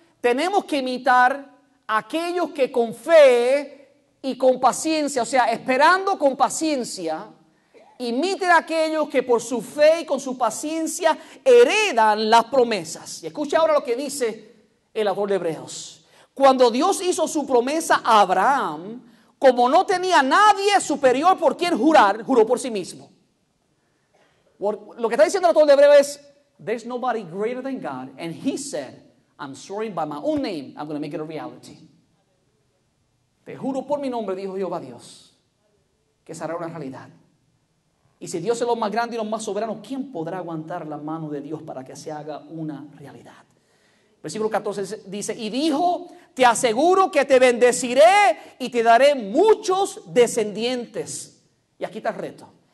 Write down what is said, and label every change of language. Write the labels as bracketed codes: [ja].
[es] Tenemos que imitar a aquellos que con fe y con paciencia, o sea, esperando con paciencia, imiten a aquellos que por su fe y con su paciencia heredan las promesas. Y escuche ahora lo que dice el autor de Hebreos. Cuando Dios hizo su promesa a Abraham, como no tenía nadie superior por quien jurar, juró por sí mismo. Lo que está diciendo el autor de Hebreos es, [en] there's nobody greater than God, and he said, I'm swearing by my own name, I'm going to make it a reality. [es] Te juro por mi nombre, dijo Jehová Dios, que será una realidad. Y si Dios es lo más grande y lo más soberano, ¿quién podrá aguantar la mano de Dios para que se haga una realidad? Versículo 14 dice, y dijo, te aseguro que te bendeciré y te daré muchos descendientes. Y aquí está el reto.